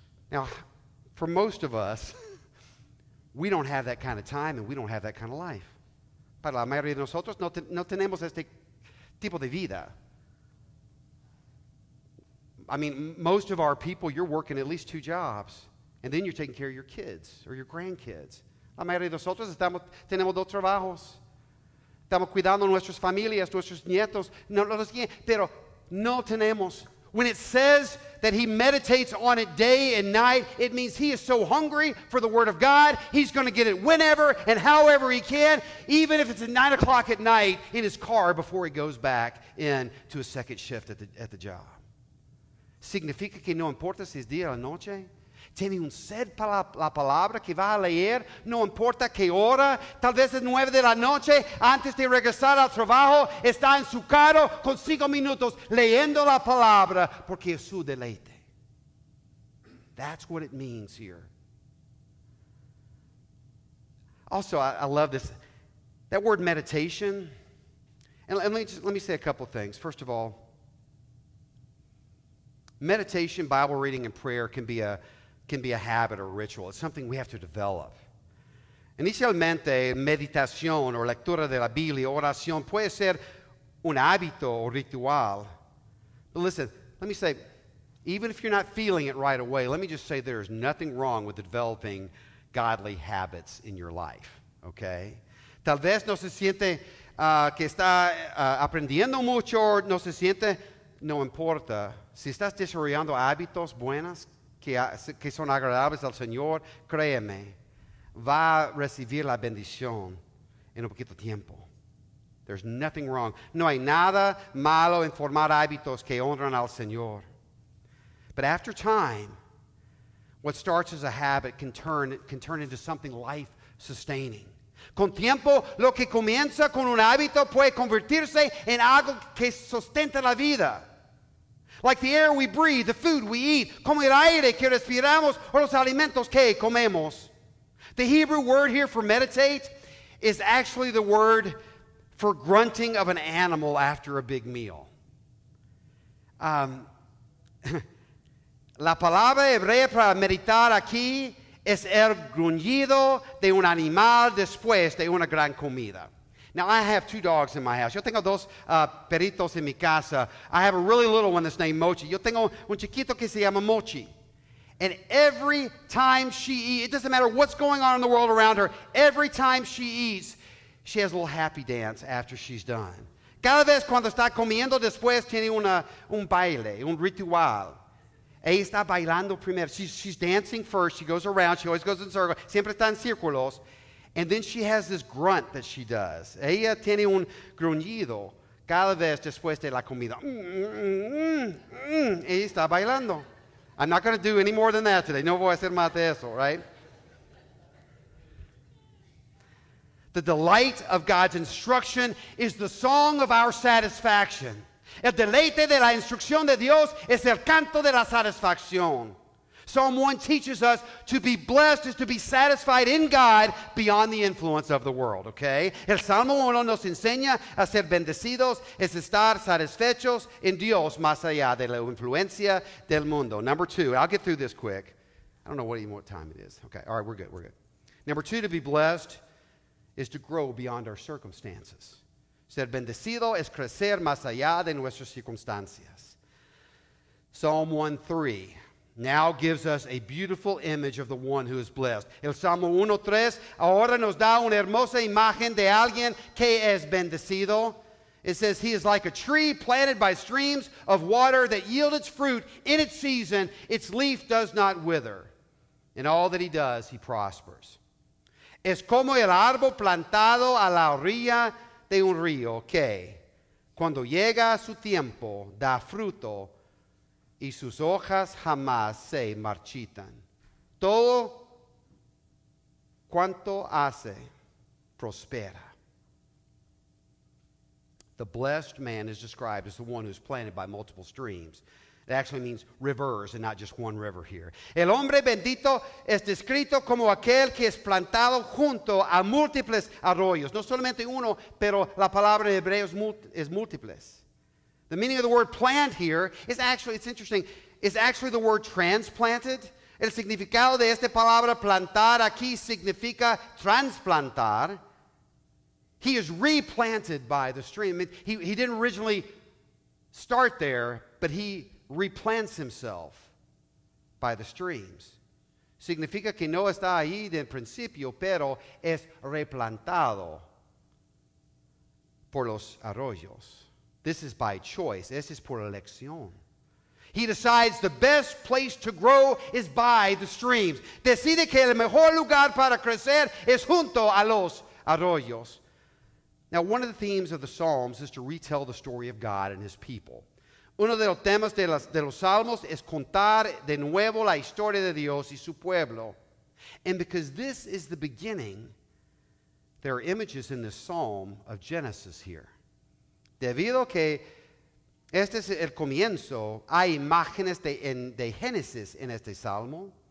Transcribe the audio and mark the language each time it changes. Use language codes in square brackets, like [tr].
[en] Now, for most of us, we don't have that kind of time and we don't have that kind of life. [es] Para la mayoría de nosotros no tenemos este tipo de vida. [en] I mean, most of our people, you're working at least two jobs and then you're taking care of your kids or your grandkids. [es] La mayoría de nosotros tenemos dos trabajos. Estamos cuidando nuestras familias, nuestros nietos, pero no tenemos. [en] When it says that he meditates on it day and night, it means he is so hungry for the Word of God, he's going to get it whenever and however he can, even if it's at 9 o'clock at night in his car before he goes back in to a second shift at the job. [es] ¿Significa que no importa si es día o noche? Tiene un sed para la palabra que va a leer, no importa qué hora, tal vez es 9 de la noche, antes de regresar al trabajo, está en su carro con 5 minutos leyendo la palabra porque es su deleite. [en] That's what it means here. Also, I love this. That word meditation, and let me say a couple things. First of all, meditation, Bible reading, and prayer can be a habit or a ritual. It's something we have to develop. [es] Inicialmente, meditación o lectura de la Biblia, oración, puede ser un hábito o ritual. [en] But listen, let me say, even if you're not feeling it right away, let me just say there's nothing wrong with developing godly habits in your life, okay? [es] Tal vez no se siente que está aprendiendo mucho, no se siente, no importa. Si estás desarrollando hábitos buenos, que son agradables al Señor, créeme, va a recibir la bendición en un poquito tiempo. [en] There's nothing wrong. [es] No hay nada malo en formar hábitos que honran al Señor. [en] But after time, what starts as a habit can turn into something life-sustaining. [es] Con tiempo, lo que comienza con un hábito puede convertirse en algo que sustenta la vida. [en] Like the air we breathe, the food we eat, [es] como el aire que respiramos o los alimentos que comemos. [en] The Hebrew word here for meditate is actually the word for grunting of an animal after a big meal. [es] La palabra hebrea para meditar aquí es el gruñido de un animal después de una gran comida. [en] Now, I have two dogs in my house. [es] Yo tengo dos perritos en mi casa. [en] I have a really little one that's named Mochi. [es] Yo tengo un chiquito que se llama Mochi. [en] And every time she eats, it doesn't matter what's going on in the world around her, every time she eats, she has a little happy dance after she's done. [es] Cada vez cuando está comiendo después, tiene un baile, un ritual. Ella está bailando primero. [en] She's dancing first. She goes around. She always goes in circles. [es] Siempre está en círculos. [en] And then she has this grunt that she does. [es] Ella tiene un gruñido cada vez después de la comida. Ella está bailando. [en] I'm not going to do any more than that today. [es] No voy a hacer más de eso, [en] right? The delight of God's instruction is the song of our satisfaction. [es] El deleite de la instrucción de Dios es el canto de la satisfacción. [en] Psalm 1 teaches us to be blessed is to be satisfied in God beyond the influence of the world, okay? [es] El Salmo 1 nos enseña a ser bendecidos es estar satisfechos en Dios más allá de la influencia del mundo. [en] Number 2, I'll get through this quick. I don't know what even what time it is. Okay, all right, we're good. Number 2, to be blessed is to grow beyond our circumstances. [es] Ser bendecido es crecer más allá de nuestras circunstancias. [en] Psalm 1:3 now gives us a beautiful image of the one who is blessed. [es] El Salmo 1:3 ahora nos da una hermosa imagen de alguien que es bendecido. [en] It says, he is like a tree planted by streams of water that yield its fruit in its season. Its leaf does not wither. In all that he does, he prospers. [es] Es como el árbol plantado a la orilla de un río que, cuando llega su tiempo, da fruto y sus hojas jamás se marchitan. Todo cuanto hace prospera. [en] The blessed man is described as the one who's planted by multiple streams. It actually means rivers and not just one river here. [es] El hombre bendito es descrito como aquel que es plantado junto a múltiples arroyos. No solamente uno, pero la palabra en hebreo es múltiples. [en] The meaning of the word plant here is actually, it's interesting, is actually the word transplanted. [es] El significado de esta palabra plantar aquí significa transplantar. [en] He is replanted by the stream. He didn't originally start there, but he replants himself by the streams. [es] Significa que no está ahí del principio, pero es replantado por los arroyos. [en] This is by choice. [es] Este es por elección. [en] He decides the best place to grow is by the streams. [es] Decide que el mejor lugar para crecer es junto a los arroyos. [en] Now, one of the themes of the Psalms is to retell the story of God and his people. [es] Uno de los temas de los Salmos es contar de nuevo la historia de Dios y su pueblo. [en] And because this is the beginning, there are images in this Psalm of Genesis here. [es] Debido que este es el comienzo, hay imágenes de Génesis en este Salmo.